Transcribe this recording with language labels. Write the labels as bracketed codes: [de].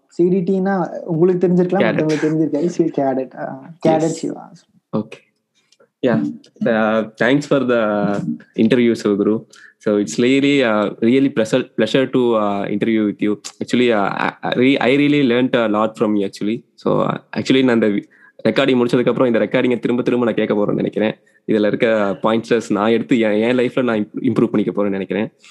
[ta] CDT னா உங்களுக்கு தெரிஞ்சிருக்கலாம், உங்களுக்கு தெரிஞ்சிருக்காய் cadet Shiva. [en] Okay. Yeah. Thanks for the interview, Soguru. So it's really really pleasure to interview with you. Actually I really learned a lot from you actually. [ta] So actually நான் இந்த recording முடிச்சதுக்கு அப்புறம் இந்த ரெக்கார்டிங்கை திரும்ப நான் கேட்க போறேன்னு நினைக்கிறேன். இதுல இருக்க பாயிண்ட்ஸ் நான் எடுத்து என் லைஃப்ல நான் இம்ப்ரூவ் பண்ணிக்க போறேன் நினைக்கிறேன்.